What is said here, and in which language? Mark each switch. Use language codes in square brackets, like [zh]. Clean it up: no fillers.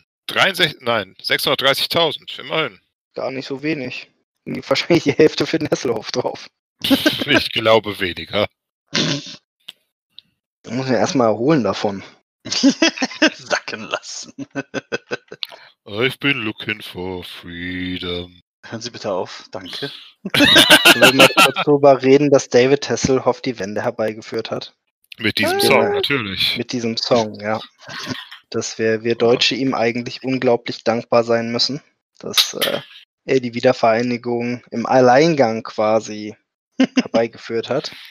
[de] 630.000, immerhin. Gar nicht so wenig. Wahrscheinlich die Hälfte für den Hasselhoff drauf. Ich glaube weniger. Ich muss mir erstmal erholen davon. Sacken lassen. [en] I've been looking for freedom. [de] Hören Sie bitte auf, danke. Wir müssen noch kurz darüber reden, dass David Hasselhoff die Wende herbeigeführt hat. Mit diesem Song, natürlich. Mit diesem Song, ja. Dass wir Deutsche ihm eigentlich unglaublich dankbar sein müssen, dass er die Wiedervereinigung im Alleingang quasi herbeigeführt hat.